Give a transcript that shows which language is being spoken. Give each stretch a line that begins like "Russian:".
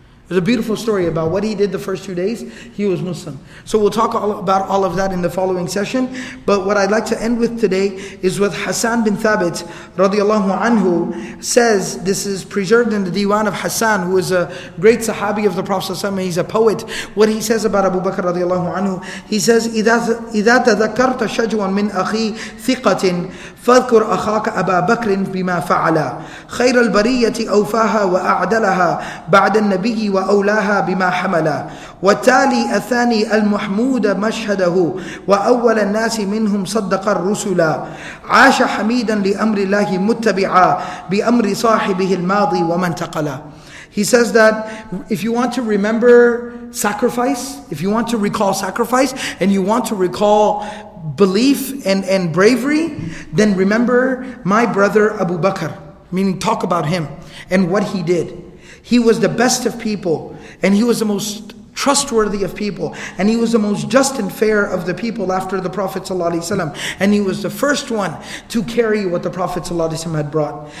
English: There's a beautiful story about what he did the first 2 days he was Muslim. So we'll talk about all of that in the following session. But what I'd like to end with today is what Hassan bin Thabit radiallahu anhu says. This is preserved in the Diwan of Hassan, who is a great Sahabi of the Prophet ﷺ. He's a poet. What he says about Abu Bakr radiallahu anhu, he says,
Arabic: إِذَا تَذَكَّرْتَ شَجْوًا مِّنْ أَخِي ثِقَةٍ فَذْكُرْ أَخَاكَ أَبَا بَكْرٍ بِمَا فَعَلَ خَيْرَ الْبَرِيَّةِ أَوْفَاهَا وَأَعْدَلَهَا بَعْدَ النَّبِيِّ وأولاها بما حملا وتالي الثاني المحمود مشهده وأول الناس منهم صدق الرسل عاش حميدا لأمر الله متبعا بأمر صاحبه الماضي ومن تقلا.
English: He says that if you want to remember sacrifice, if you want to recall sacrifice and you want to recall belief and bravery, then remember my brother Abu Bakr, meaning talk about him and what he did. He was the best of people, and he was the most trustworthy of people, and he was the most just and fair of the people after the Prophet ﷺ, and he was the first one to carry what the Prophet ﷺ had brought.